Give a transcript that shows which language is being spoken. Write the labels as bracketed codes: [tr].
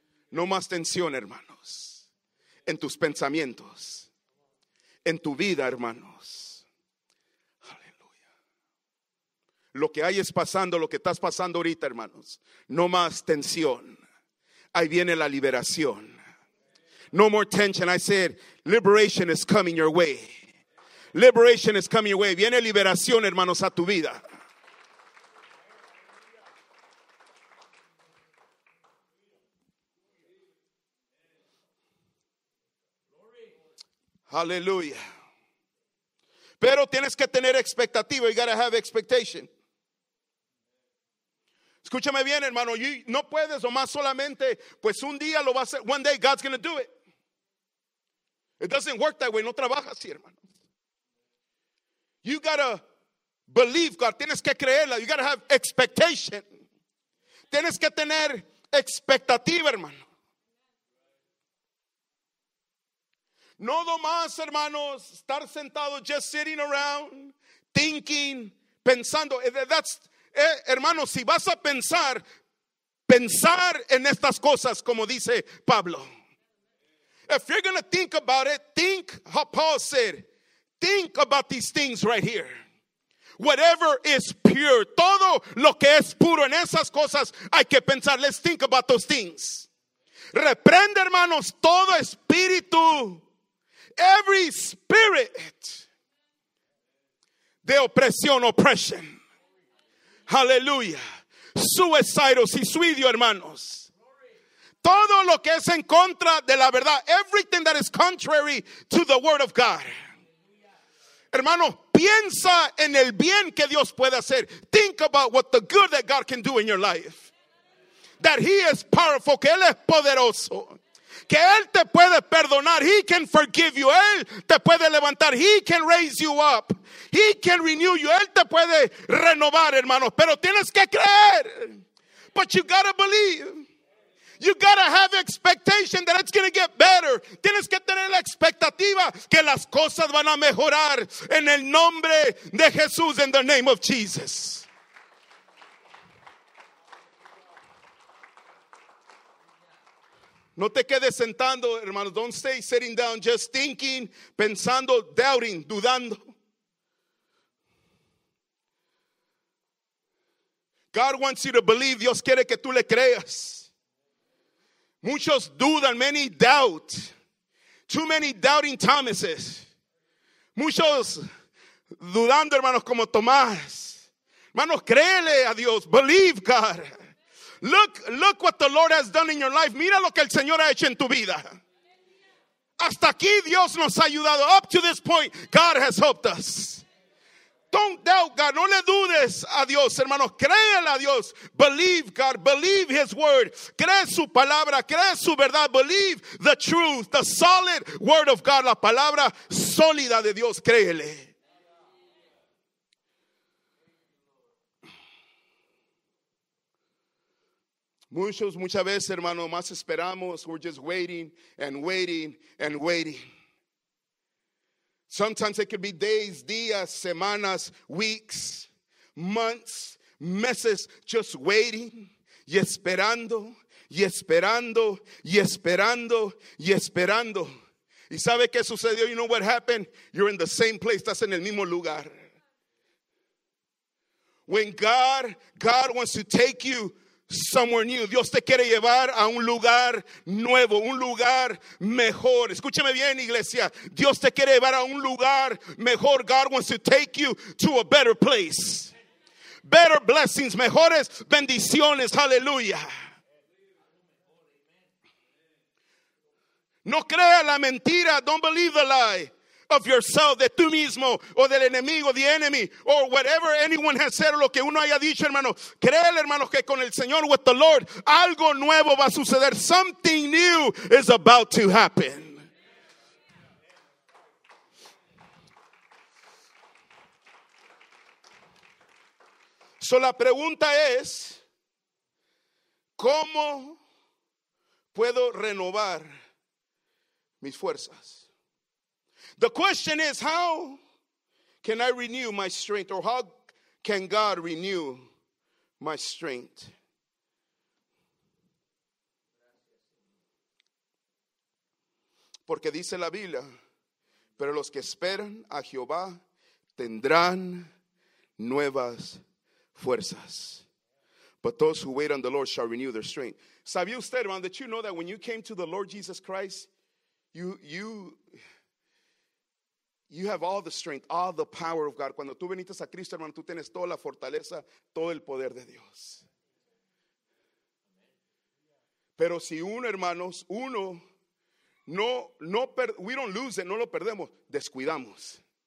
[es] No más tensión, hermanos. En tus pensamientos, en tu vida, hermanos. Aleluya. Lo que hay es pasando, lo que estás pasando ahorita, hermanos. No más tensión. Ahí viene la liberación. [en] No more tension. I said, liberation is coming your way. Liberation is coming your way. [es] Viene liberación, hermanos, a tu vida. Aleluya. Pero tienes que tener expectativa. [en] You gotta have expectation. [es] Escúchame bien, hermano. [en] You, [es] no puedes o más solamente, pues un día lo va a hacer. [en] One day God's gonna do it. It doesn't work that way. [es] No trabaja así, hermano. [en] You gotta believe God. [es] Tienes que creerla. [en] You gotta have expectation. [es] Tienes que tener expectativa, hermano. No nomás, hermanos, estar sentado, [en] just sitting around, thinking, [es] pensando. [en] That's, [es] hermanos, si vas a pensar, pensar en estas cosas, como dice Pablo. [en] If you're going to think about it, think how Paul said, think about these things right here. Whatever is pure, [es] todo lo que es puro en esas cosas, hay que pensar. [en] Let's think about those things. [es] Reprende, hermanos, todo espíritu. [en] Every spirit [es] de opresión, [en] oppression. Hallelujah. [es] Suicidio, suicidio, hermanos. Todo lo que es en contra de la verdad. [en] Everything that is contrary to the word of God. [es] Hermano, piensa en el bien que Dios puede hacer. [en] Think about what the good that God can do in your life. that he is powerful, [es] que él es poderoso. Que él te puede perdonar. [en] He can forgive you. [es] Él te puede levantar. [en] He can raise you up. He can renew you. [es] Él te puede renovar, hermanos. Pero tienes que creer. [en] But you gotta believe. You gotta have expectation that it's gonna get better. [es] Tienes que tener la expectativa que las cosas van a mejorar en el nombre de Jesús, [en] in the name of Jesus. [es] No te quedes sentando, hermanos. [en] Don't stay sitting down just thinking, [es] pensando, [en] doubting, [es] dudando. [en] God wants you to believe. [es] Dios quiere que tú le creas. Muchos dudan. [en] Many doubt. Too many doubting Thomases. [es] Muchos dudando, hermanos, como Tomás. Hermanos, créele a Dios. [en] Believe God. Look what the Lord has done in your life. [es] Mira lo que el Señor ha hecho en tu vida. Hasta aquí Dios nos ha ayudado. [en] Up to this point, God has helped us. Don't doubt God. [es] No le dudes a Dios, hermanos. Créele a Dios. [en] Believe God. Believe his word. [es] Cree su palabra. Cree su verdad. [en] Believe the truth. The solid word of God. [es] La palabra sólida de Dios. Créele. Muchos, muchas veces, hermano, más esperamos. [en] We're just waiting and waiting and waiting. Sometimes it could be days, [es] días, semanas, [en] weeks, months, [es] meses, [en] just waiting [es] y esperando y esperando y esperando y esperando. ¿Y sabe qué sucedió? [en] You know what happened? You're in the same place. [es] Estás en el mismo lugar. [en] When God wants to take you somewhere new. [es] Dios te quiere llevar a un lugar nuevo, un lugar mejor. Escúcheme bien, iglesia. Dios te quiere llevar a un lugar mejor. [en] God wants to take you to a better place. Better blessings, [es] mejores bendiciones. [en] Hallelujah. [es] No crea la mentira. [en] Don't believe the lie of yourself, [es] de tú mismo, o del enemigo, [en] the enemy, or whatever anyone has said, [es] lo que uno haya dicho, hermano. Créele, hermano, que con el Señor, [en] with the Lord, [es] algo nuevo va a suceder. [en] Something new is about to happen. So [es] la pregunta es, ¿cómo puedo renovar mis fuerzas? [en] The question is, how can I renew my strength, or how can God renew my strength? [es] Porque dice la Biblia, pero los que esperan a Jehová tendrán nuevas fuerzas. [en] But those who wait on the Lord shall renew their strength. [es] ¿Sabía usted, hermano, [en] that you know that when you came to the Lord Jesus Christ, you have all the strength, all the power of God. [es] Cuando tú viniste a Cristo, hermano, tú tienes toda la fortaleza, todo el poder de Dios. Pero si uno, hermanos, uno, [en] we don't lose it, [es] no lo perdemos, descuidamos.